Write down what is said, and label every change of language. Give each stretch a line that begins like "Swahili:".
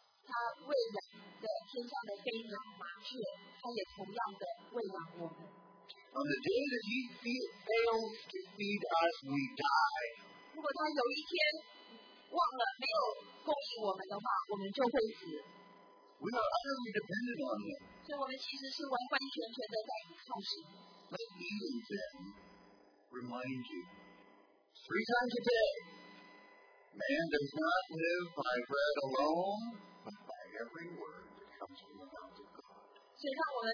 Chinese: 他喂养的天上的飞鸟、麻雀，他也同样的喂养我们。
English: On the day that He fails to feed us, we die.
Chinese: 如果他有一天 忘了没有供应我们的话，我们就会死。
English: We are utterly dependent on Him.
Chinese: 所以我们其实是完完全全的在依靠神。
English: Let me then remind you, 3 times a day, man does not live by bread alone, but by every word that comes from the mouth of God.